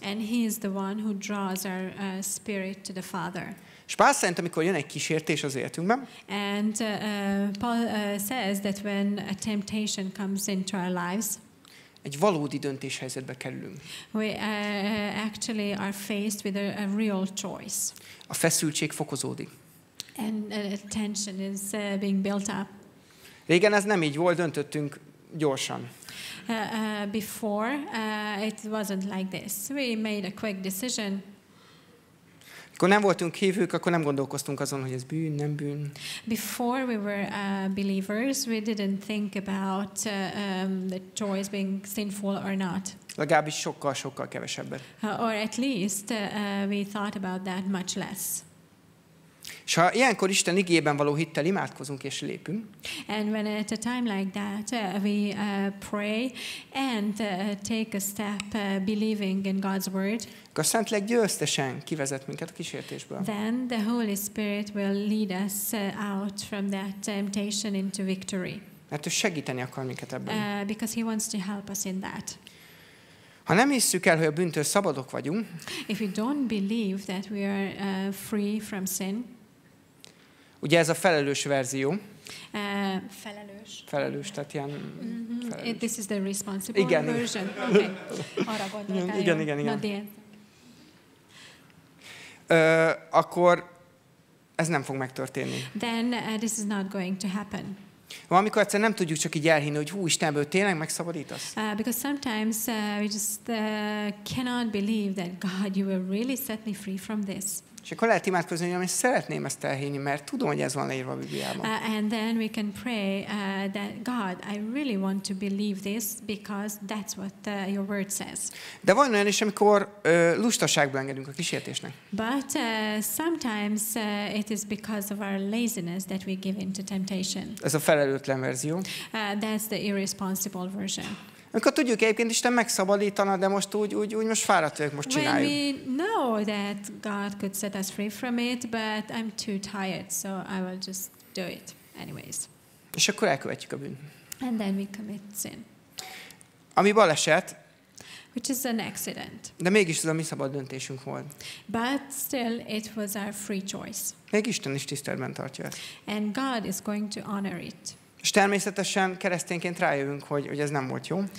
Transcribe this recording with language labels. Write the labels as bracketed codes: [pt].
[en] And he is the one who draws our spirit to the Father. [hu] És Pál szerint, amikor jön egy kísértés az életünkben. [en] And Paul says that when a temptation comes into our lives, [hu] egy valódi döntéshelyzetbe kerülünk. [en] We actually are faced with a real choice. [hu] A feszültség fokozódik. [en] And tension is being built up. [hu] Régen ez nem így volt, döntöttünk gyorsan. [en] Before it wasn't like this. We made a quick decision. [hu] Mikor nem voltunk hívők, akkor nem gondolkoztunk azon, hogy ez bűn, nem bűn. [en] Before we were believers, we didn't think about the choice being sinful or not. [hu] Legalábbis sokkal kevesebbet. [en] Or at least we thought about that much less. [hu] És ha ilyenkor Isten igében való hittel imádkozunk és lépünk. [en] And when at a time like that we pray and take a step believing in God's word. [hu] A Szentlélek győztesen kivezet minket a kísértésből. [en] Then the Holy Spirit will lead us out from that temptation into victory. [hu] Mert ő segíteni akar minket ebben. [en] Because he wants to help us in that. [hu] Ha nem hisszük el, hogy a bűntől szabadok vagyunk. [en] If we don't believe that we are free from sin. [hu] Ugye ez a felelős verzió. Felelős. Felelős, tehát ilyen felelős. [en] This is the responsible [hu] igen. [en] Version. Okay. [hu] Arra igen. Akkor ez nem fog megtörténni. [en] Then this is not going to happen. [hu] Valamikor egyszer nem tudjuk csak így elhinni, hogy hú, Istenből tényleg megszabadítasz. [en] Because sometimes we just cannot believe that God, you will really set me free from this. [hu] És akkor lehet imádkozni, hogy szeretném ezt elhinni, mert tudom, hogy ez van leírva a Bibliában. [en] And then we can pray that God, I really want to believe this because that's what your word says. [hu] De van olyan is, amikor lustaságba engedünk a kísértésnek. [en] But sometimes it is because of our laziness that we give in to temptation. [hu] Ez a felelőtlen verzió. [en] That's the irresponsible version. [hu] Amikor tudjuk, egyébként Isten megszabadítana, de most úgy most fáradt vagyok, most csináljuk. [en] When we know that God could set us free from it, but I'm too tired, so I will just do it anyways. [hu] És akkor elkövetjük a bűnt. [en] And then we commit sin. [hu] Ami baleset. [en] Which is an accident. [hu] De mégis az a mi szabad döntésünk volt. [en] But still, it was our free choice. [hu] Még Isten is tiszteletben tartja ezt. [en] And God is going to honor it. [hu] És természetesen keresztényként rájövünk, hogy ez nem volt jó.